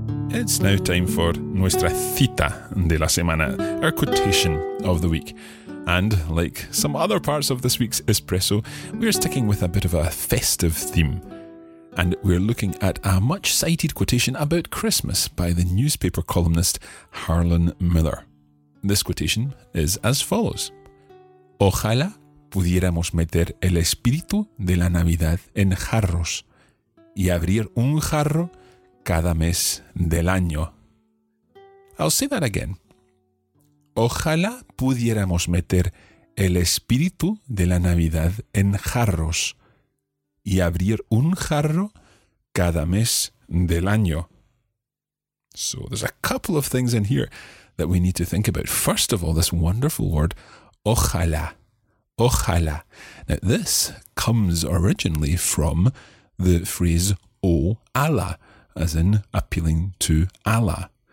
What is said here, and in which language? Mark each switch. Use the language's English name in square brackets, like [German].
[English] It's now time for [Spanish] nuestra cita de la semana, [English] our quotation of the week. And like some other parts of this week's espresso, we're sticking with a bit of a festive theme. And we're looking at a much-cited quotation about Christmas by the newspaper columnist Harlan Miller. This quotation is as follows. [Spanish] Ojalá pudiéramos meter el espíritu de la Navidad en jarros y abrir un jarro cada mes del año. [English] I'll say that again. [Spanish] Ojalá pudiéramos meter el espíritu de la Navidad en jarros y abrir un jarro cada mes del año. [English] So there's a couple of things in here that we need to think about. First of all, this wonderful word, ojalá. Ojalá. Now, this comes originally from the phrase O Allah, as in appealing to Allah.